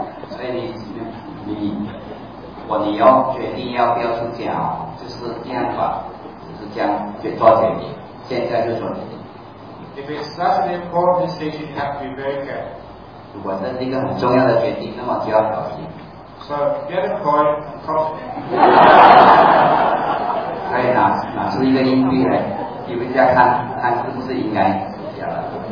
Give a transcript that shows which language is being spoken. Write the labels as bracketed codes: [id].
[zh] 所以你要决定要不要出家，就是这样吧，就是这样去做决定。现在就做决定。 [en] If it's such an important decision, you have to be very careful. [zh] 如果是那个很重要的决定，那么就要小心。 [en] So get a coin, toss it. [zh] 可以拿出一个硬币来，比一下看是不是应该出家了。